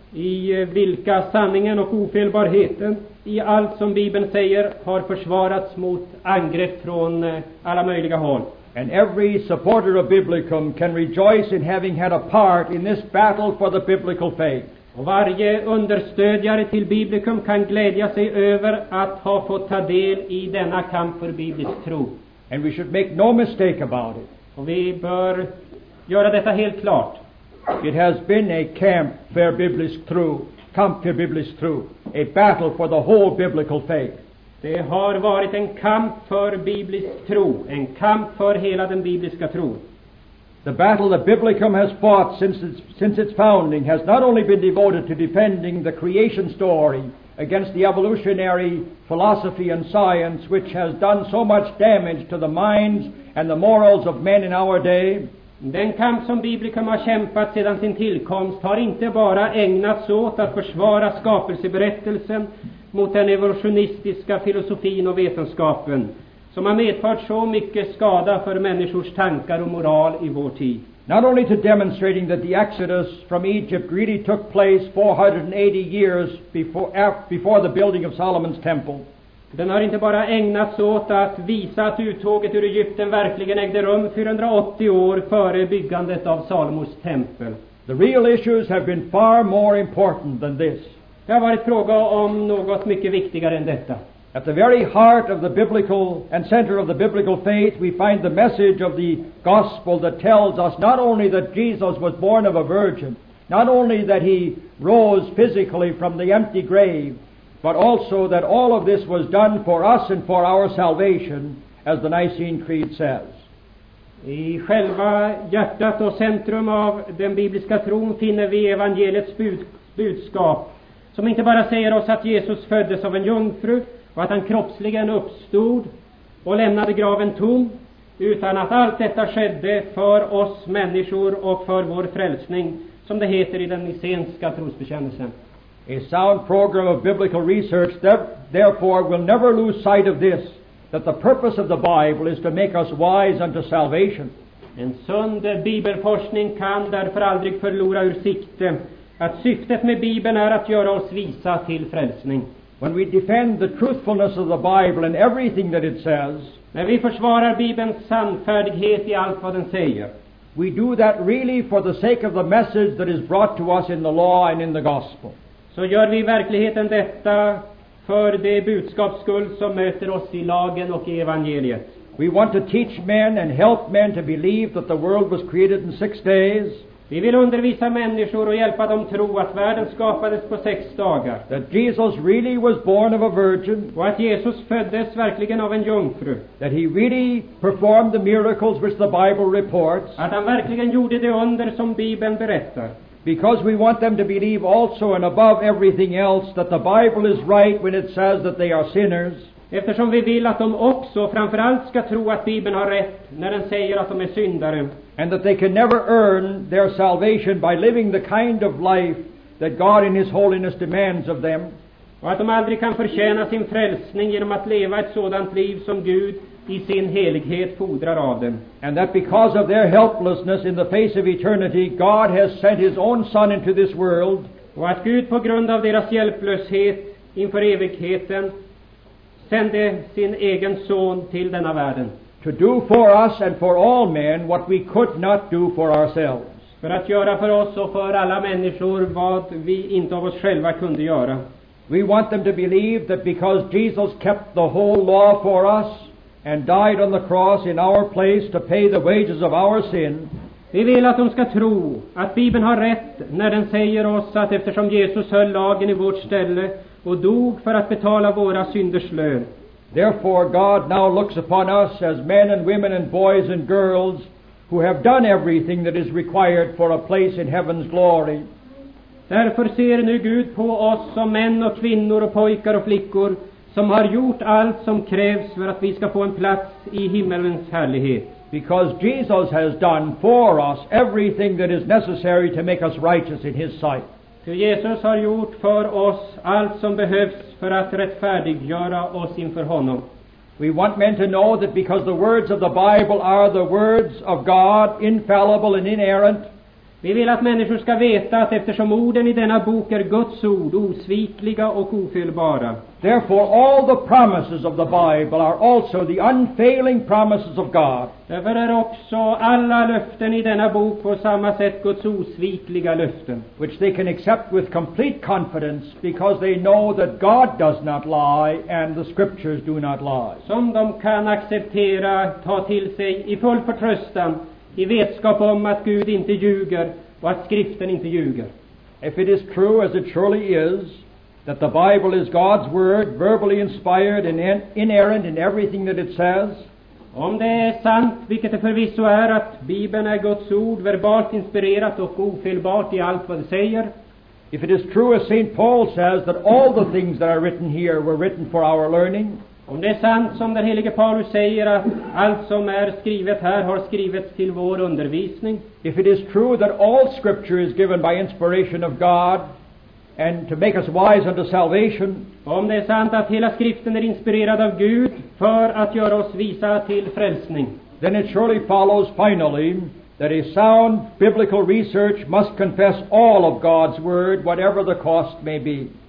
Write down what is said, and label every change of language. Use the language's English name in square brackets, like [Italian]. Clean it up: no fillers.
[Swedish] I vilka sanningen och ofelbarheten i allt som Bibeln säger har försvarats mot angrepp från alla möjliga håll. [English] And every supporter of Biblicum can rejoice in having had a part in this battle for the biblical faith. [Swedish] Och varje understödjare till Biblicum kan glädja sig över att ha fått ta del i denna kamp för biblisk tro. [English] And we should make no mistake about it. [Swedish] Och vi bör göra detta helt klart. [English] It has been a camp for [Swedish] biblisk tro, kamp för biblisk tro, [English] a battle for the whole biblical faith. [Swedish] Det har varit en kamp för biblisk tro, en kamp för hela den bibliska tron. [English] The battle that Biblicum has fought since its founding has not only been devoted to defending the creation story against the evolutionary philosophy and science which has done so much damage to the minds and the morals of men in our day. [Swedish] Den kamp som Biblicum har kämpat sedan sin tillkomst har inte bara ägnats åt att försvara skapelseberättelsen mot den evolutionistiska filosofin och vetenskapen, som har medfört så mycket skada för människors tankar och moral i vår tid. [English] Not only to demonstrating that the Exodus from Egypt really took place 480 years before the building of Solomon's temple. [Swedish] Den har inte bara ägnats åt att visa att uttåget ur Egypten verkligen ägde rum 480 år före byggandet av Salomos tempel. [English] The real issues have been far more important than this. [Swedish] Det har varit fråga om något mycket viktigare än detta. [English] At the very heart of the biblical and center of the biblical faith, we find the message of the gospel that tells us not only that Jesus was born of a virgin, not only that he rose physically from the empty grave, but also that all of this was done for us and for our salvation, as the Nicene Creed says. [Swedish] I själva hjärtat och centrum av den bibliska tron finner vi evangeliets budskap, som inte bara säger oss att Jesus föddes av en jungfru och att han kroppsligen uppstod och lämnade graven tom, utan att allt detta skedde för oss människor och för vår frälsning, som det heter i den nicenska trosbekännelsen. [English] A sound program of biblical research therefore will never lose sight of this, that the purpose of the Bible is to make us wise unto salvation. [Swedish] En sund bibelforskning kan därför aldrig förlora ur sikte att syftet med Bibeln är att göra oss visa till frälsning. [English] When we defend the truthfulness of the Bible in everything that it says, [Swedish] när vi försvarar Bibelns sannfärdighet i allt vad den säger, [English] we do that really for the sake of the message that is brought to us in the law and in the gospel. [Swedish] Så gör vi i verkligheten detta för det budskaps skull som möter oss i lagen och i evangeliet. [English] We want to teach men and help men to believe that the world was created in 6 days. [Swedish] Vi vill undervisa människor och hjälpa dem tro att världen skapades på 6 dagar. [English] That Jesus really was born of a virgin. [Swedish] Och att Jesus föddes verkligen av en jungfru. [English] That he really performed the miracles which the Bible reports. [Swedish] Att han verkligen gjorde det under som Bibeln berättar. [English] Because we want them to believe also and above everything else that the Bible is right when it says that they are sinners. [Swedish] Eftersom vi vill att de också framförallt ska tro att Bibeln har rätt när den säger att de är syndare. [English] And that they can never earn their salvation by living the kind of life that God in his holiness demands of them. [Swedish] Och att de aldrig kan förtjäna sin frälsning genom att leva ett sådant liv som Gud i sin helighet fordrar av dem. [English] And that because of their helplessness in the face of eternity, God has sent his own son into this world. [Swedish] Och att Gud på grund av deras hjälplöshet inför evigheten sände sin egen son till denna världen. [English] To do for us and for all men what we could not do for ourselves. [Swedish] För att göra för oss och för alla människor vad vi inte av oss själva kunde göra. [English] We want them to believe that because Jesus kept the whole law for us and died on the cross in our place to pay the wages of our sin. [Swedish] Vi vill att de ska tro att Bibeln har rätt när den säger oss att eftersom Jesus höll lagen i vårt ställe och dog för att betala våra synders lön. [English] Therefore God now looks upon us as men and women and boys and girls who have done everything that is required for a place in heaven's glory. [Swedish] Därför ser nu Gud på oss som män och kvinnor och pojkar och flickor som har gjort allt som krävs för att vi ska få en plats i himmelens härlighet. [English] Because Jesus has done for us everything that is necessary to make us righteous in his sight. [Swedish] Jesus har gjort för oss allt som behövs för att rättfärdiggöra oss inför honom. [English] We want men to know that because the words of the Bible are the words of God, infallible and inerrant. [Swedish] Vi vill att människor ska veta att eftersom orden i denna bok är Guds ord, osvikliga och ofelbara. [English] Therefore all the promises of the Bible are also the unfailing promises of God. [Swedish] Därför är också alla löften i denna bok på samma sätt Guds osvikliga löften. [English] Which they can accept with complete confidence because they know that God does not lie and the scriptures do not lie. [Swedish] Som de kan acceptera, ta till sig i full förtröstan. I vetskap om att Gud inte ljuger och att skriften inte ljuger. [English] If it is true as it surely is that the Bible is God's word, verbally inspired and inerrant in everything that it says. [Swedish] Om det är sant, vilket det förvisso är, att Bibeln är Guds ord, verbalt inspirerat och ofelbart i allt vad det säger. [English] If it is true as St. Paul says that all the things that are written here were written for our learning. [Swedish] Om det är sant som den helige Paulus säger att allt som är skrivet här har skrivits till vår undervisning. [English] If it is true that all scripture is given by inspiration of God and to make us wise unto salvation. [Swedish] Om det är sant att hela skriften är inspirerad av Gud för att göra oss visa till frälsning. [English] Then it surely follows finally that a sound biblical research must confess all of God's word whatever the cost may be.